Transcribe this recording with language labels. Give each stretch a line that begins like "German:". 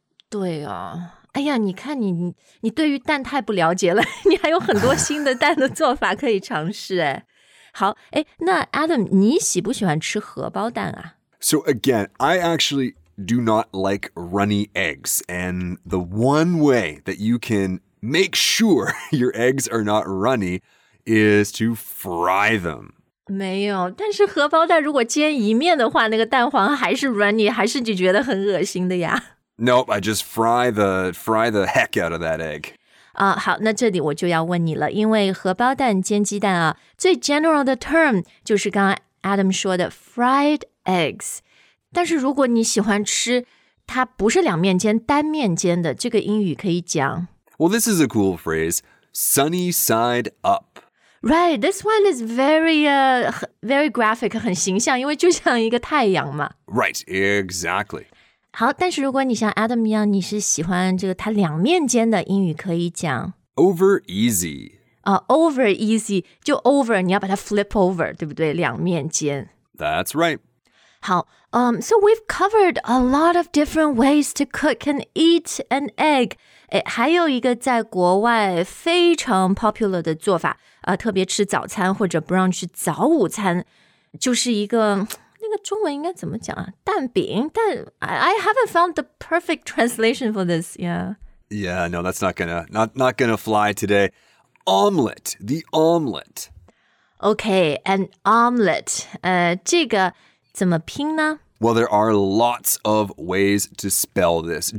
Chinese: 对啊。哎呀，你看你对于蛋太不了解了，你还有很多新的蛋的做法可以尝试。哎，好，哎，那 Adam， 你喜不喜欢吃荷包蛋啊
English: ？So again, I actually do not like runny eggs, and the one way that you can make sure your eggs are not runny is to fry them.
Chinese: 没有，但是荷包蛋如果煎一面的话，那个蛋黄还是软腻，还是你觉得很恶心的呀
English: ？Nope, I just fry the heck out of that egg.
Chinese: 啊，好，那这里我就要问你了，因为荷包蛋煎鸡蛋啊，最 general 的 term 就是刚刚 Adam 说的 fried eggs。但是如果你喜欢吃它不是两面煎，单面煎的，这个英语可以讲。
English: Well, this is a cool phrase, sunny side up. Right, this one is very graphic,
Chinese: 很形象，因为就像一个太阳嘛。
English: Right, exactly.
Chinese: 好，但是如果你像 Adam 一样，你是喜欢这个它两面煎的，英语可以讲
English: over easy.
Chinese: Over easy 就 over， 你要把它 flip over， 对不对？两面煎。
English: That's right. 好， so we've covered a lot of different ways to cook and eat an egg.
Chinese: 哎，还有一个在国外非常 popular 的做法，特别吃早餐或者 brunch 早午餐，就是一个那个中文应该怎么讲啊？蛋饼，但
English: I haven't found the perfect translation for this. Yeah, no, that's not gonna fly today. Omelet, the omelet. Okay, an omelet.
Chinese: 这个怎么拼呢？
English: Well, there are lots of ways to spell this.